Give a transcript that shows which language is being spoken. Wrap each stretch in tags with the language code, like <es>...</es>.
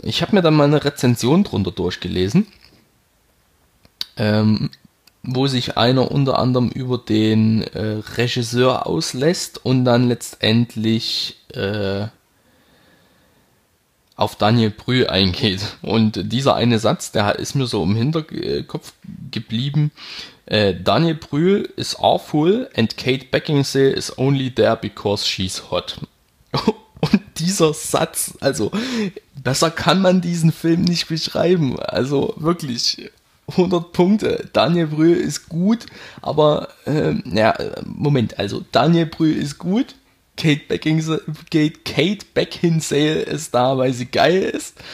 <de>Ich habe mir dann mal eine Rezension drunter durchgelesen, wo sich einer unter anderem über den Regisseur auslässt und dann letztendlich auf Daniel Brühl eingeht. Und dieser eine Satz, der ist mir so im Hinterkopf geblieben.</de> <en>Daniel Brühl is awful and Kate Beckinsale is only there because she's hot.</en> <de>Und dieser Satz, also besser kann man diesen Film nicht beschreiben. Also wirklich 100 Punkte. Daniel Brühl ist gut, aber ja, Moment, also Daniel Brühl ist gut. Kate Beckinsale ist da, weil sie geil ist.</de>